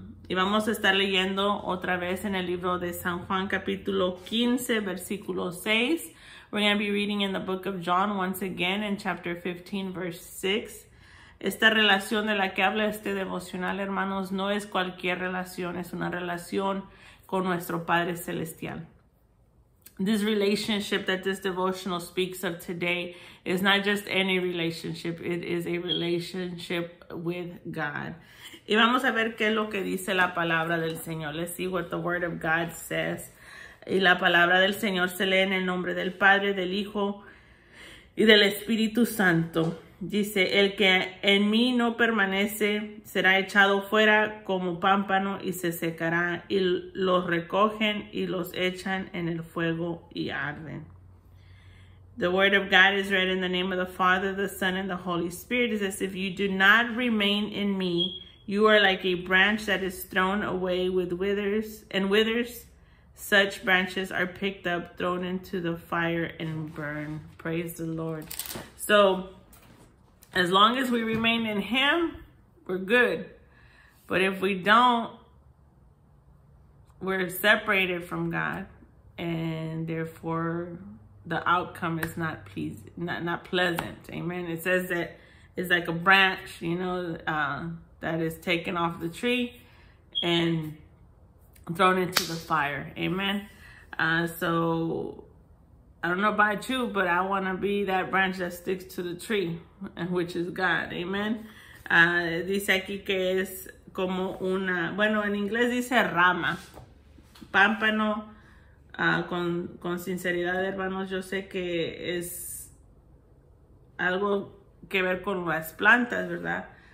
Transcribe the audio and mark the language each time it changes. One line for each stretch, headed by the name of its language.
Spanish: Y vamos a estar leyendo otra vez en el libro de San Juan, capítulo 15, versículo 6.
English: We're going to be reading in the book of John once again in chapter 15, verse 6.
Spanish: Esta relación de la que habla este devocional, hermanos, no es cualquier relación. Es una relación con nuestro Padre Celestial.
English: This relationship that this devotional speaks of today is not just any relationship. It is a relationship with God.
Spanish: Y vamos a ver qué es lo que dice la palabra del Señor.
English: Let's see what the word of God says.
Spanish: Y la palabra del Señor se lee en el nombre del Padre, del Hijo y del Espíritu Santo. Dice, el que en mí no permanece será echado fuera como pámpano y se secará, y los recogen y los echan en el fuego y arden.
English: The word of God is read in the name of the Father, the Son, and the Holy Spirit. It says, if you do not remain in me, you are like a branch that is thrown away with withers and withers. Such branches are picked up, thrown into the fire and burn. Praise the Lord. So, as long as we remain in Him, we're good. But if we don't, we're separated from God. And therefore, the outcome is not pleasant. Amen. It says that it's like a branch, you know, that is taken off the tree and thrown into the fire. Amen. So, I don't know about you, but I want to be that branch that sticks to the tree, which is God. Amen.
Spanish: Dice aquí que es como una, bueno, en inglés dice rama. Pámpano, con sinceridad, hermanos, yo sé que es algo que ver con las plantas, ¿verdad?